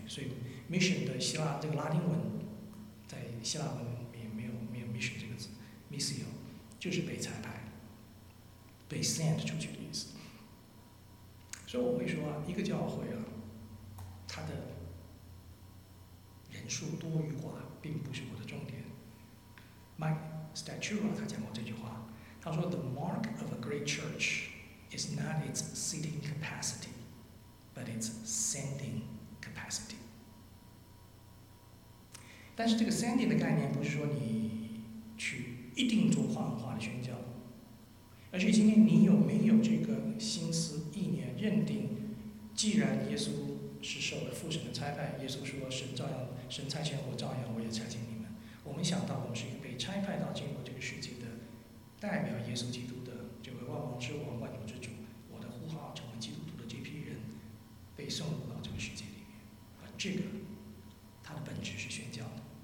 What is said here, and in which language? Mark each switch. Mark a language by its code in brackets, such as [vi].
[zh] 所以 mission 的希腊这个拉丁文，在希腊文里面没有 mission 这个字 ，missio 就是被拆派，被 send 出去的意思。所以我会说啊，一个教会啊，它的人数多与寡并不是我的重点。 [en] Mike Statura [zh] 他讲过这句话，他说 [en] ：“The mark of a great church is not its seating capacity, but its sending capacity。” [zh] 但是这个 sending 的概念不是说你去一定做话语化的宣教，而是今天你有没有这个心思意念，认定既然耶稣是受了父神的差派，耶稣说神照样，神差遣我照样我也差遣你们，我们想到我们是被差派到进入这个世界的代表耶稣基督的，这位万王之王万主之主，我的呼号成为基督徒的这批人被送入到这个世界里面，而这个它的本质是宣教的。